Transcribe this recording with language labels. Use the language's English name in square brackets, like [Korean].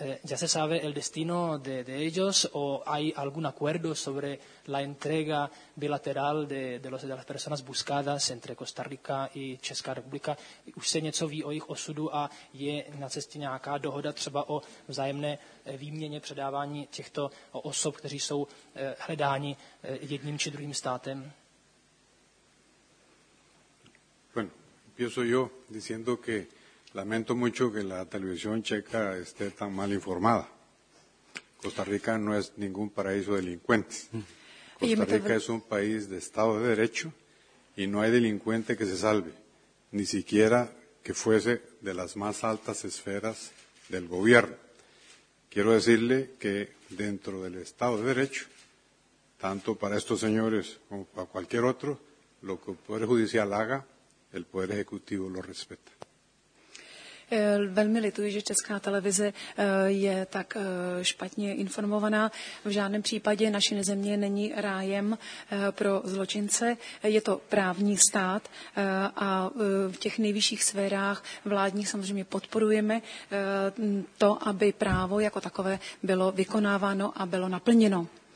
[Spanish] ¿Ya se sabe el destino de ellos o hay algún acuerdo sobre la entrega bilateral de las personas buscadas entre Costa Rica y Česká republika? [Czech] ¿Už se něco ví o jejich osudu a je na cestě nějaká dohoda třeba o vzájemné výměně předávání těchto osob, kteří jsou hledáni jedním či druhým státem? [Spanish] Bueno, empiezo yo diciendo que lamento mucho que la televisión checa esté tan mal informada. Costa Rica no es ningún paraíso de delincuentes. Costa Rica es un país de Estado de Derecho y no hay delincuente que se salve, ni siquiera que fuese de las más altas esferas del gobierno. Quiero decirle que dentro del Estado de Derecho, tanto para estos señores como para cualquier otro, lo que el Poder Judicial haga, el Poder Ejecutivo lo respeta. [Czech] Velmi lituji, že Česká televize je tak špatně informovaná. V žádném případě naše země není rájem pro zločince. Je to právní stát a v těch nejvyšších sférách vládních samozřejmě podporujeme to, aby právo jako takové bylo vykonáváno a bylo naplněno.